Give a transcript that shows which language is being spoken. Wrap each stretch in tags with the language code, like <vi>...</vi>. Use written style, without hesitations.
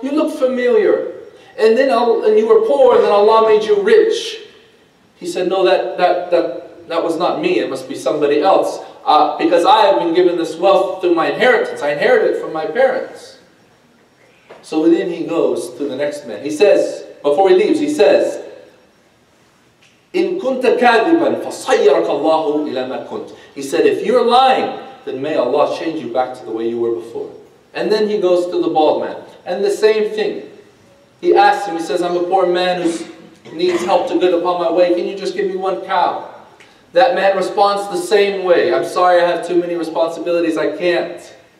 <en>You look familiar. And you were poor, and then Allah made you rich. He said, no, that was not me, it must be somebody else. Because I have been given this wealth through my inheritance, I inherited it from my parents. So then he goes to the next man. He says, before he leaves, he says,</en> <ar>إِن كُنْتَ كَاذِبًا فَصَيَّرَكَ اللَّهُ إِلَى مَا كُنْتَ.</ar> <en>He said, if you're lying, then may Allah change you back to the way you were before. And then he goes to the bald man. And the same thing. He asks him, he says, I'm a poor man who needs help to get upon my way. Can you just give me one cow? That man responds the same way. I'm sorry, I have too many responsibilities. I can't.</en>